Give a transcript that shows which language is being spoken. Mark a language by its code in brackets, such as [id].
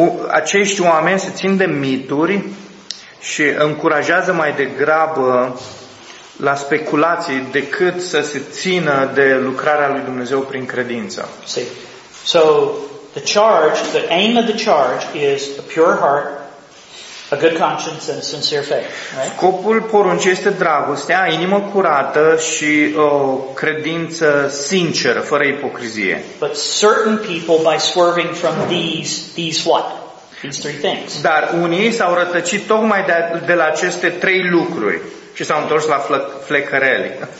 [ro] Acești oameni se țin de mituri și încurajează mai degrabă la speculații decât să se țină de lucrarea lui Dumnezeu prin credință. [en] See. So, the charge, the aim of the charge is a pure heart, a good conscience and a sincere faith, right? [ro] Scopul poruncii este dragostea, inimă curată și o credință sinceră, fără ipocrizie. [en] But certain people by swerving from these what? These three things. [ro] Dar unii s-au rătăcit tocmai de la aceste trei lucruri și s-au întors la flecăreli.